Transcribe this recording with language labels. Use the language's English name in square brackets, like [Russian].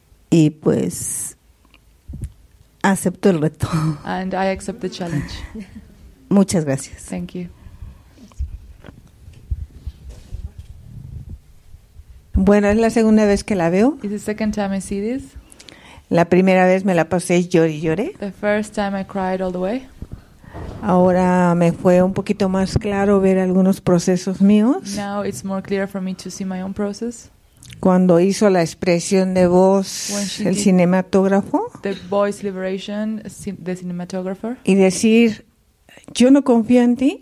[Spanish] Y pues acepto el reto. [English] And I accept the challenge. [Spanish] Muchas gracias. [English] Thank you. [Spanish] Bueno, es la segunda vez que la veo. [English] It's the second time I see this. [Spanish] La primera vez me la pasé lloré y lloré. [English] The first time I cried all the way. [Spanish] Ahora me fue un poquito más claro ver algunos procesos míos. [English] Now it's more clear for me to see my own process. [Spanish] Cuando hizo la expresión de voz el cinematógrafo, [English] the voice liberation, the cinematographer, [Spanish] y decir yo no confío en ti,